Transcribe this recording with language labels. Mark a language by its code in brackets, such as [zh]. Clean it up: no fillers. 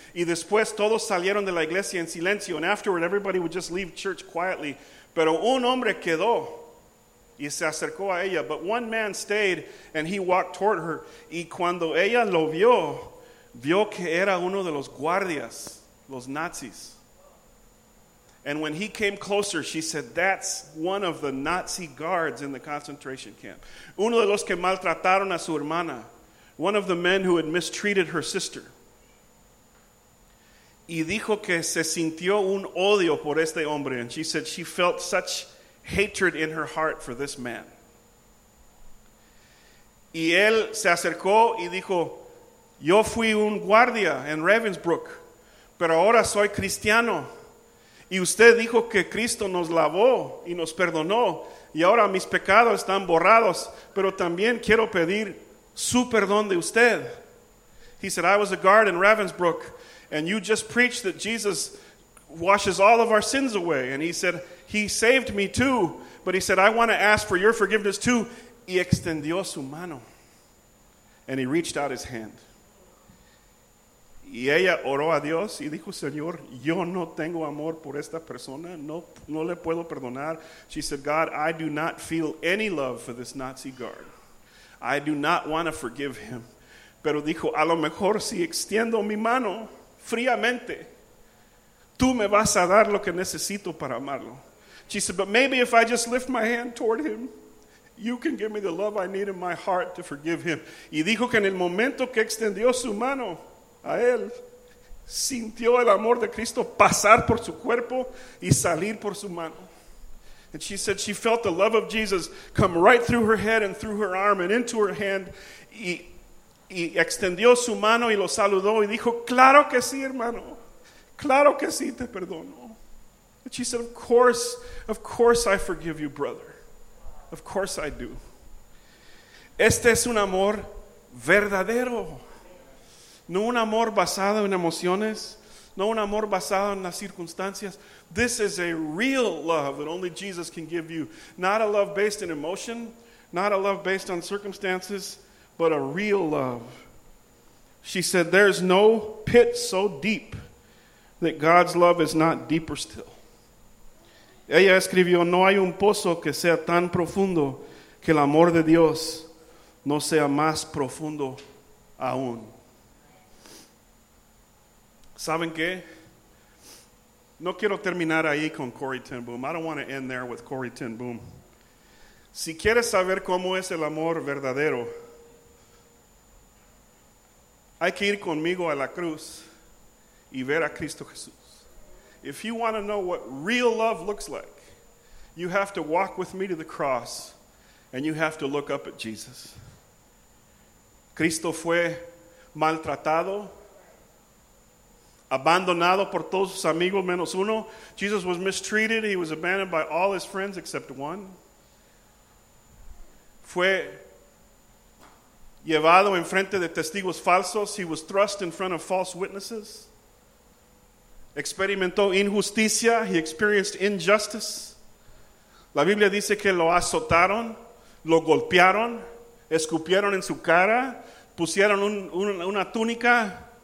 [es] Y después todos salieron de la iglesia en silencio, [en] and afterward everybody would just leave church quietly. [es] Pero un hombre quedó y se acercó a ella. [en] But one man stayed and he walked toward her. [es] Y cuando ella lo vio, vio que era uno de los guardias, los nazis. [en] And when he came closer, she said, that's one of the Nazi guards in the concentration camp. [es] Uno de los que maltrataron a su hermana. [en] One of the men who had mistreated her sister. [es] Y dijo que se sintió un odio por este hombre. [en] And she said she felt such hatred in her heart for this man. [es] Y él se acercó y dijo, yo fui un guardia en Ravensbrück, pero ahora soy cristiano. Y usted dijo que Cristo nos lavó y nos perdonó. Y ahora mis pecados están borrados, pero también quiero pedir su perdón de usted. [en] He said, I was a guard in Ravensbrück, and you just preached that Jesus washes all of our sins away. And he said, he saved me too. But he said, I want to ask for your forgiveness too. [es] Y extendió su mano. [en] And he reached out his hand. [es] Y ella oró a Dios y dijo, Señor, yo no tengo amor por esta persona, no le puedo perdonar. [en] She said, God, I do not feel any love for this Nazi guard. I do not want to forgive him. [es] Pero dijo, a lo mejor si extiendo mi mano fríamente, tú me vas a dar lo que necesito para amarlo. [en] She said, but maybe if I just lift my hand toward him, you can give me the love I need in my heart to forgive him. [es] Y dijo que en el momento que extendió su mano a él, sintió el amor de Cristo pasar por su cuerpo y salir por su mano. [en] And she said she felt the love of Jesus come right through her head and through her arm and into her hand. [es] Y extendió su mano y lo saludó y dijo, claro que sí, hermano. Claro que sí, te perdono. [en] And she said, of course I forgive you, brother. Of course I do. [es] Este es un amor verdadero. No un amor basado en emociones, no un amor basado en las circunstancias. [en] This is a real love that only Jesus can give you. Not a love based in emotion, not a love based on circumstances, but a real love. She said, there's no pit so deep that God's love is not deeper still. [es] Ella escribió, no hay un pozo que sea tan profundo que el amor de Dios no sea más profundo aún. ¿Saben qué? No quiero terminar ahí con Corrie Ten Boom. [en] I don't want to end there with Corrie Ten Boom. [es] Si quieres saber cómo es el amor verdadero, hay que ir conmigo a la cruz y ver a Cristo Jesús. [en] If you want to know what real love looks like, you have to walk with me to the cross and you have to look up at Jesus. [es] Cristo fue maltratado, abandonado por todos sus amigos menos uno. [en] Jesus was mistreated. He was abandoned by all his friends except one. [es] Fue llevado en frente de testigos falsos. [en] He was thrust in front of false witnesses. [es] Experimentó injusticia. [en] He experienced injustice. [es] La Biblia dice que lo azotaron, lo golpearon, escupieron en su cara, pusieron una túnica.